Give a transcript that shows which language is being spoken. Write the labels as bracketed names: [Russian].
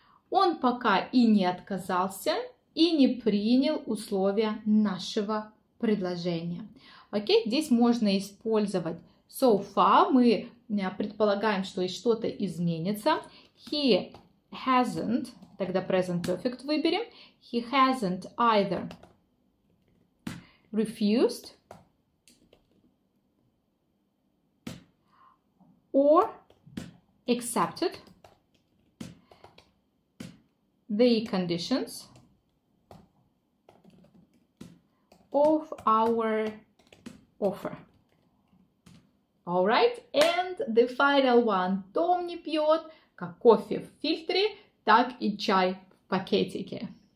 [Russian] Он пока и не отказался, и не принял условия нашего предложения. Окей, здесь можно использовать [English] so far. [Russian] Мы предполагаем, что что-то изменится. [English] He hasn't, [Russian] тогда [English] present perfect [Russian] выберем. [English] He hasn't either refused or accepted the conditions of our offer. All right, and the final one. [Russian] Том не пьет как кофе в фильтре, так и чай в пакетике.